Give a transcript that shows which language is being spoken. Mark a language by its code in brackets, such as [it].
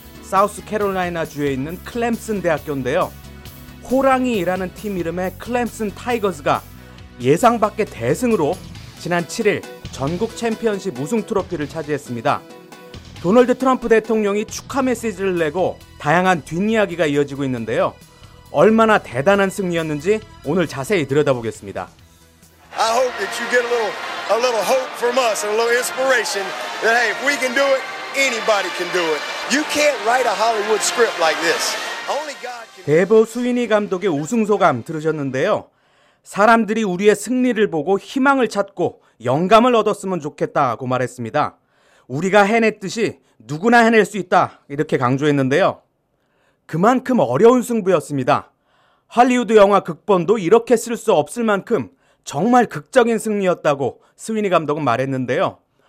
[ko] 사우스 캐롤라이나주에 있는 클렘슨 대학교인데요. 호랑이라는 팀 이름의 클렘슨 타이거즈가 예상 밖의 대승으로 지난 7일 전국 챔피언십 우승 트로피를 차지했습니다. 도널드 트럼프 대통령이 축하 메시지를 내고 다양한 뒷이야기가 이어지고 있는데요. 얼마나 대단한 승리였는지 오늘 자세히 들여다보겠습니다. [en] I hope that you get a little hope from us, a little inspiration that hey, if we can do it, anybody can do it. You can't write a Hollywood script like this. Only God can. [ko] 데브 스위니 감독의 우승 소감 들으셨는데요. 사람들이 우리의 승리를 보고 희망을 찾고 영감을 얻었으면 좋겠다고 말했습니다. 우리가 해냈듯이 누구나 해낼 수 있다 이렇게 강조했는데요. 그만큼 어려운 승부였습니다. 할리우드 영화 극본도 이렇게 쓸 수 없을 만큼 정말 극적인 승리였다고 스위니 감독은 말했는데요.